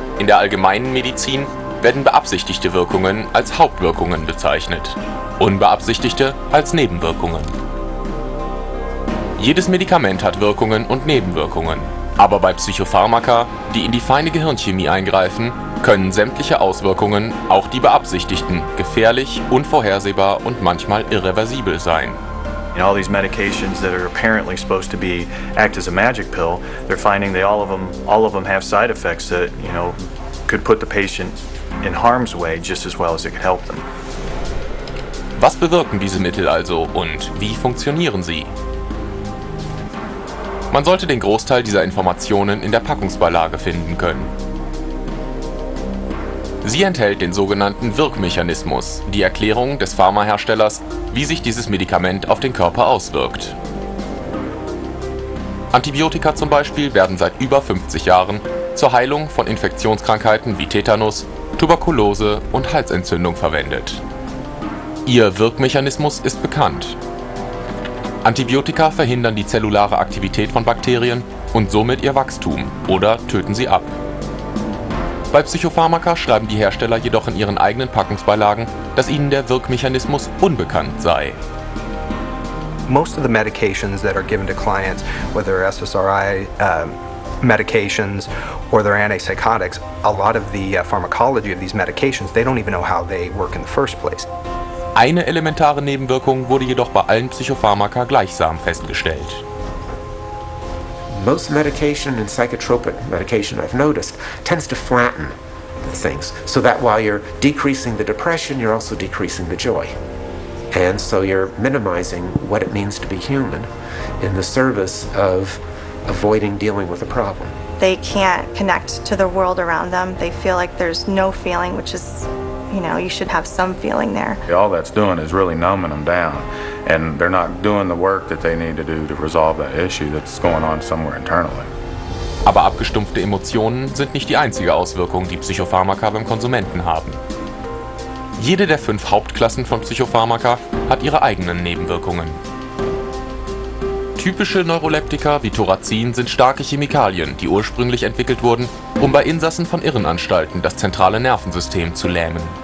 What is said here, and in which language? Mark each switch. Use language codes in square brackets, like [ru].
[de] In der allgemeinen Medizin werden beabsichtigte Wirkungen als Hauptwirkungen bezeichnet, unbeabsichtigte als Nebenwirkungen. Jedes Medikament hat Wirkungen und Nebenwirkungen. Aber bei Psychopharmaka, die in die feine Gehirnchemie eingreifen, können sämtliche Auswirkungen, auch die beabsichtigten, gefährlich, unvorhersehbar und manchmal irreversibel sein. [en] In all these medications that are apparently supposed to be act as a magic pill, they're finding that all of them have side effects that, you know, could put the patient in harm's way just as well as it could help them. [de] Was bewirken diese Mittel also und wie funktionieren sie? Man sollte den Großteil dieser Informationen in der Packungsbeilage finden können. Sie enthält den sogenannten Wirkmechanismus, die Erklärung des Pharmaherstellers, wie sich dieses Medikament auf den Körper auswirkt. Antibiotika zum Beispiel werden seit über 50 Jahren zur Heilung von Infektionskrankheiten wie Tetanus, Tuberkulose und Halsentzündung verwendet. Ihr Wirkmechanismus ist bekannt. Antibiotika verhindern die zellulare Aktivität von Bakterien und somit ihr Wachstum oder töten sie ab. Bei Psychopharmaka schreiben die Hersteller jedoch in ihren eigenen Packungsbeilagen, dass ihnen der Wirkmechanismus unbekannt sei. [en] Most of the medications that are given to clients, whether SSRI medications or their antipsychotics, a lot of the pharmacology of these medications, they don't even know how they work in the first place. [de] Eine elementare Nebenwirkung wurde jedoch bei allen Psychopharmaka gleichsam festgestellt. [en] Most medication and psychotropic medication I've noticed tends to flatten things, so that while you're decreasing the depression, you're also decreasing the joy. And so you're minimizing what it means to be human in the service of avoiding dealing with a problem. They can't connect to the world around them. They feel like there's no feeling, which is, you know, you should have some feeling there. All that's doing is really numbing them down, and they're not doing the work that they need to do to resolve that issue that's going on somewhere internally. [de] Aber abgestumpfte Emotionen sind nicht die einzige Auswirkung, die Psychopharmaka beim Konsumenten haben. Jede der fünf Hauptklassen von Psychopharmaka hat ihre eigenen Nebenwirkungen. Typische Neuroleptika wie Thorazin sind starke Chemikalien, die ursprünglich entwickelt wurden, um bei Insassen von Irrenanstalten das zentrale Nervensystem zu lähmen.